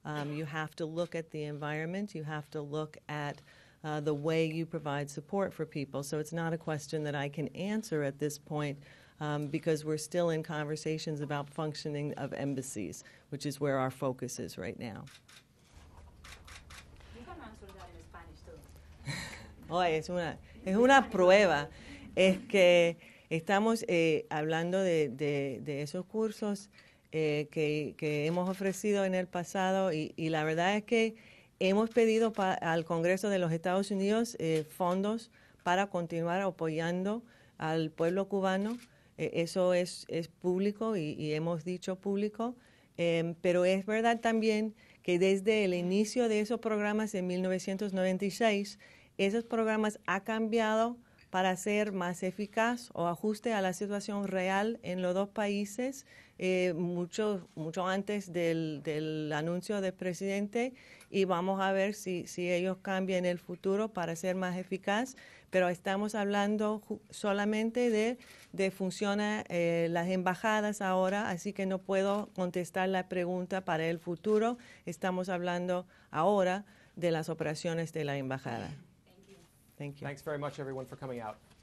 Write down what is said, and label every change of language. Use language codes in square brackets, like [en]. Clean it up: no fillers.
[en] You have to look at the environment. You have to look at the way you provide support for people. So it's not a question that I can answer at this point, because we're still in conversations about functioning of embassies, which is where our focus is right now. You can answer that in Spanish, too. [es] Oye, es una prueba. Es que estamos hablando de esos cursos que hemos ofrecido en el pasado, y la verdad es que hemos pedido al Congreso de los Estados Unidos fondos para continuar apoyando al pueblo cubano. Eso es público y hemos dicho público, pero es verdad también que desde el inicio de esos programas en 1996, esos programas han cambiado para ser más eficaz o ajuste a la situación real en los dos países, mucho antes del anuncio del presidente, y vamos a ver si ellos cambian en el futuro para ser más eficaz. Pero estamos hablando solamente de funciona las embajadas ahora, así que no puedo contestar la pregunta para el futuro. Estamos hablando ahora de las operaciones de la embajada. [en] Thank you. Thanks very much, everyone, for coming out.